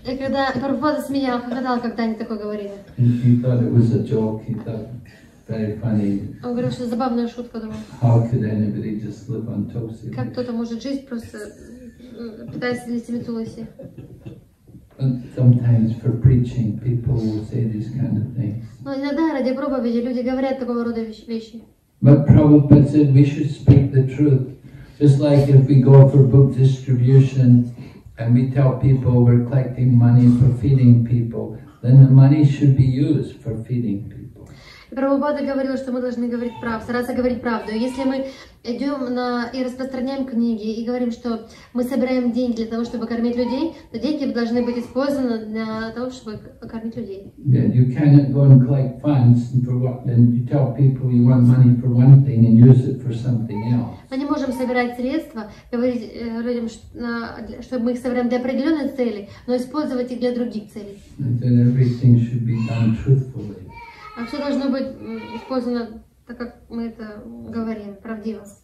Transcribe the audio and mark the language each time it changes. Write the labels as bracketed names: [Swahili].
[Russian] И когда Прабхупада смеялся, хохотал, когда они такое говорили. [English] He thought it was a joke. He thought very funny. [Russian] Он говорил, что забавная шутка, думал. [English] How could anybody just live on tulsi? [Russian] Как кто-то может жить просто питаясь листьями туласи? [English] Sometimes for preaching, people will say these kind of things. [Russian] Но иногда ради проповеди люди говорят такого рода вещи. [English] But Prabhupada said we should speak the truth. Just like if we go for book distribution and we tell people we're collecting money for feeding people, then the money should be used for feeding people. [Russian] И Прабхупада говорил, что мы должны говорить правду, стараться говорить правду. Если мы идем на и распространяем книги и говорим, что мы собираем деньги для того, чтобы кормить людей, то деньги должны быть использованы для того, чтобы кормить людей. [English] Yeah, you cannot go and collect funds and for what, and you tell people you want money for one thing and use it for something else. [Russian] Мы не можем собирать средства, говорить людям, чтобы мы их собираем для определенной цели, но использовать их для других целей. [English] And then everything should be done truthfully. [Russian] А все должно быть использовано так, как мы это говорим, правдиво.